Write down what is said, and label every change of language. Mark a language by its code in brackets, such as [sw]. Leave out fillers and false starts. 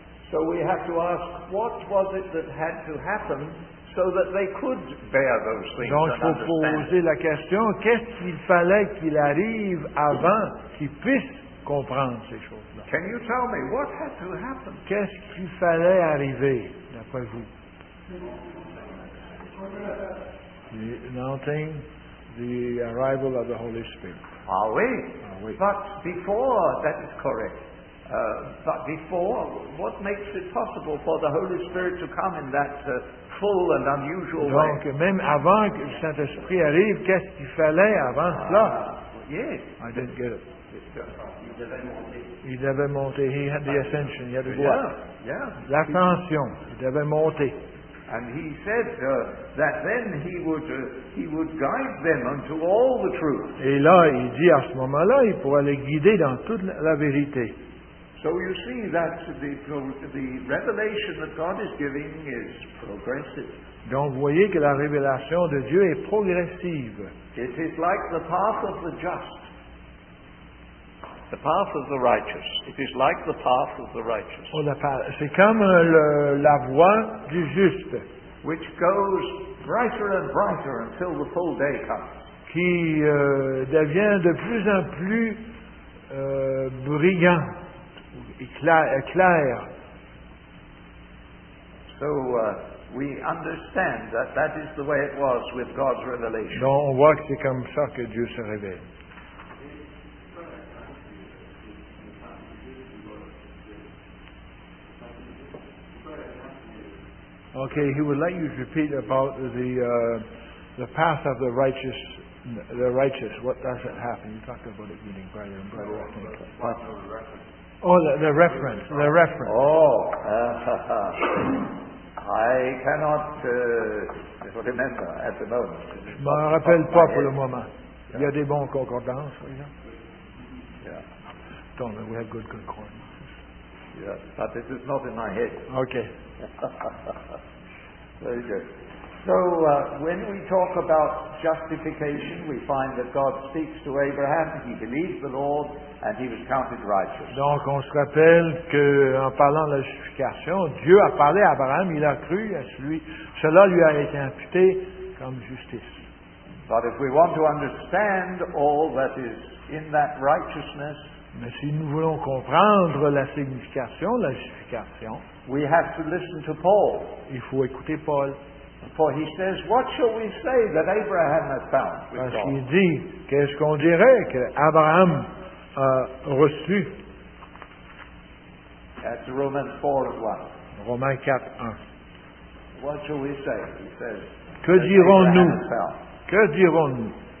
[en] So we have to ask, what was it that had to happen so that they could bear those things? [fr] Donc, il faut poser la question, qu'est-ce qu'il fallait qu'il arrive avant qu'ils puissent comprendre ces choses-là? [en] Can you tell me what had to happen? [fr] Qu'est-ce qu'il fallait arriver, d'après vous? [en] The announcing the arrival of the Holy Spirit. [fr] Ah oui. [en] But before, that is correct. But before, what makes it possible for the Holy Spirit to come in that full and unusual way? [fr] Donc, même avant que le Saint-Esprit arrive, qu'est-ce qu'il fallait avant cela? [en] Yes. I didn't get it. [fr] Il devait monter. [en] He had the ascension. He had to go up. [fr] L'ascension. Il devait monter. [en] And he said that then he would guide them unto all the truth. [fr] Et là, il dit à ce moment-là, il pourrait les guider dans toute la vérité. [en] So you see that the revelation that God is giving is progressive. [fr] Donc vous voyez que la révélation de Dieu est progressive. [en] It is like the path of the just. The path of the righteous. It is like the path of the righteous. [fr] Oh, c'est comme la voie du juste. [en] Which goes brighter and brighter until the full day comes. [fr] Qui devient de plus en plus brillant. Clair. [en] So we understand that is the way it was with God's revelation. [fr] Donc on voit que c'est comme ça que Dieu se révèle. [en] Okay, he would like you to repeat about the path of the righteous. What does it happen? You talked about it being brighter and brighter. No, what? Oh, the reference. Oh, I cannot remember at the moment. [fr] Je ne me rappelle pas pour le moment. Yeah. Il y a des bons concordances, oui. [en] Yeah. Don't know, we have good concordances. Yeah, but this is not in my head. Okay. Very good. So, when we talk about justification, we find that God speaks to Abraham, he believed the Lord, and he was counted righteous. [fr] Donc, on se rappelle qu'en parlant de la justification, Dieu a parlé à Abraham, il a cru à celui, cela lui a été imputé comme justice. [en] But if we want to understand all that is in that righteousness, [fr] mais si nous voulons comprendre la signification de la justification, [en] we have to listen to Paul. [fr] Il faut écouter Paul. [en] For he says, what shall we say that Abraham has found with God? [fr] Parce qu'il dit, qu'est-ce qu'on dirait que Abraham a reçu? [en] That's Romans 4:1. [fr] Romains 4:1. [en] What shall we say? He says, [fr] que dirons-nous? Que dirons-nous?